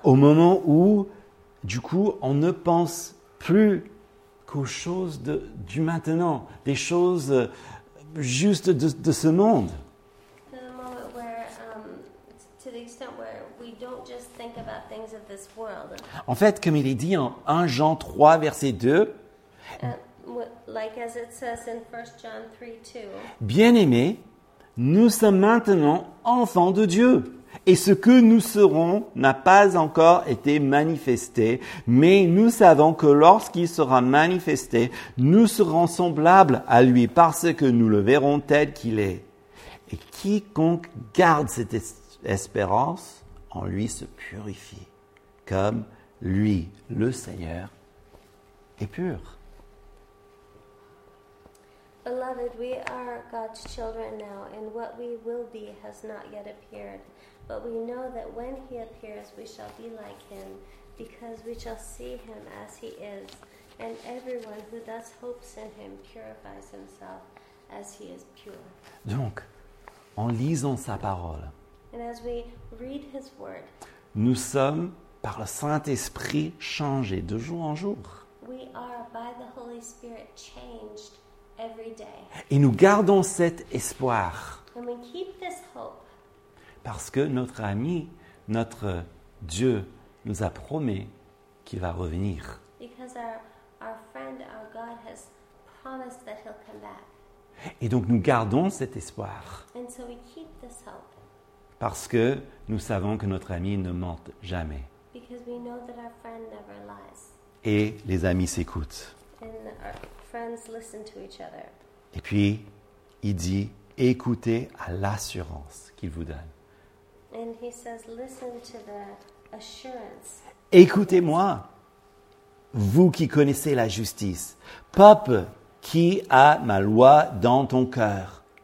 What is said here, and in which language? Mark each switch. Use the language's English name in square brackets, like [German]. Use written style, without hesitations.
[French] Au moment où, du coup, on ne pense plus qu'aux choses du maintenant, des choses juste de ce monde. [English] To the moment where, to the extent where we don't just think about things of this world. [French] En fait, comme il est dit en 1 Jean 3, verset 2, [English] like as it says in 1 John 3, 2, [French] bien-aimés, nous sommes maintenant enfants de Dieu. Et ce que nous serons n'a pas encore été manifesté, mais nous savons que lorsqu'il sera manifesté, nous serons semblables à lui parce que nous le verrons tel qu'il est. Et quiconque garde cette espérance en lui se purifie, comme lui, le Seigneur, est pur. [English] Beloved, we are God's children now, and what we will be has not yet appeared. But we know that when he appears, we shall be like him, because we shall see him as he is. And everyone who thus hopes in him purifies himself as he is pure. [French] Donc, en lisant sa parole, [English] and as we read his word, [French] nous sommes, par le Saint-Esprit, changés de jour en jour. [English] We are, by the Holy Spirit, changed every day. [French] Et nous gardons cet espoir. [English] And we keep this hope. [French] Parce que notre ami, notre Dieu, nous a promis qu'il va revenir. [English] Because our friend, our God, has promised that he'll come back. [French] Et donc nous gardons cet espoir. [English] And so we keep this hope. [French] Parce que nous savons que notre ami ne ment jamais. [English] Because we know that our friend never lies. [French] Et les amis s'écoutent. [English] And our friends listen to each other. [French] Et puis, il dit, écoutez à l'assurance qu'il vous donne. [English] And he says, listen to the assurance. [French] Écoutez-moi, vous qui connaissez la justice, peuple qui a ma loi dans ton cœur.